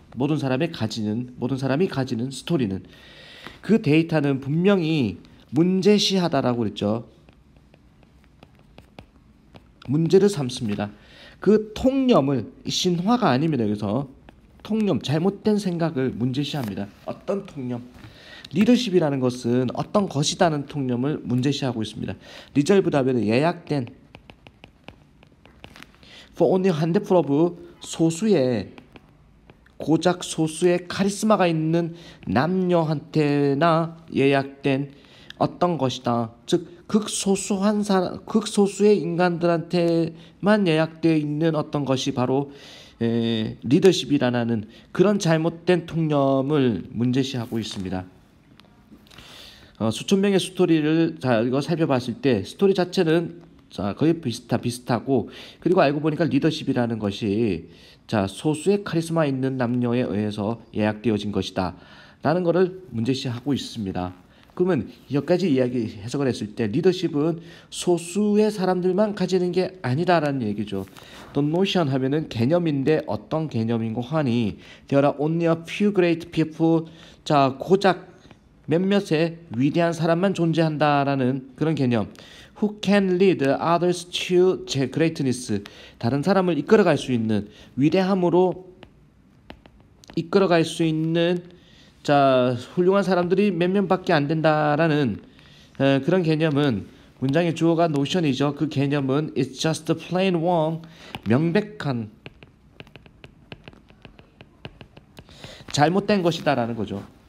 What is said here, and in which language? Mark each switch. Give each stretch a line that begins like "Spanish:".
Korean: 모든 사람이 가지는 스토리는 그 데이터는 분명히 문제시하다라고 그랬죠. 문제를 삼습니다. 그 통념을 신화가 아닙니다. 여기서 통념 잘못된 생각을 문제시합니다. 어떤 통념? 리더십이라는 것은 어떤 것이다는 통념을 문제시하고 있습니다. 리절브 답변은 예약된
English: For only a handful of
Korean: 소수의 고작 소수의 카리스마가 있는 남녀한테나 예약된 어떤 것이다. 즉 극소수한 사람, 극소수의 인간들한테만 예약되어 있는 어떤 것이 바로 리더십이라는 그런 잘못된 통념을 문제시하고 있습니다. 수천 명의 스토리를 이거 살펴봤을 때 스토리 자체는 거의 비슷하고 그리고 알고 보니까 리더십이라는 것이 소수의 카리스마 있는 남녀에 의해서 예약되어진 것이다 라는 것을 문제시하고 있습니다. 그러면 여기까지 이야기 해석을 했을 때 리더십은 소수의 사람들만 가지는 게 아니다라는 얘기죠.
English: The notion
Korean: 하면은 개념인데 어떤 개념인고 하니
English: There are only a few great people.
Korean: 고작 몇몇의 위대한 사람만 존재한다라는 그런 개념.
English: Who can lead others to greatness.
Korean: 다른 사람을 이끌어갈 수 있는 위대함으로 이끌어갈 수 있는 훌륭한 사람들이 몇 명밖에 안 된다라는 그런 개념은 문장의 주어가 notion이죠. 그 개념은
English: it's just plain wrong.
Korean: 명백한 잘못된 것이다라는 거죠.